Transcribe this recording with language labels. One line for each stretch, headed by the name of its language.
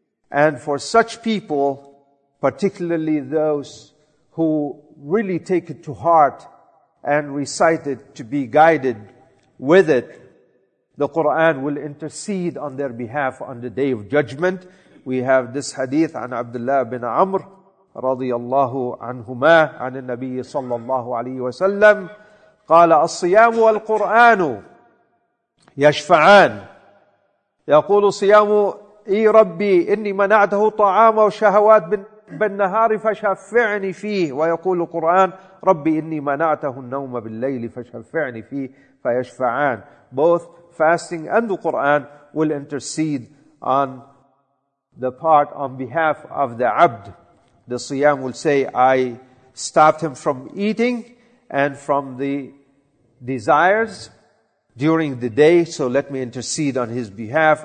English: And for such people, particularly those who really take it to heart and recite it to be guided with it, the Qur'an will intercede on their behalf on the Day of Judgment. We have this hadith
Arabic: عن عبد الله بن عمر رضي الله عنهما عن النبي صلى الله عليه وسلم قال الصيام والقرآن يشفعان. يقول الصيام إي ربي إني منعته طعام وشهوات بالنهار فشفعني فيه, ويقول القرآن ربي إني منعته النوم بالليل فشفعني فيه, فيشفعان.
English: Both fasting and the Qur'an will intercede on the part on behalf of the abd. The siyam will say, I stopped him from eating and from the desires during the day, so let me intercede on his behalf.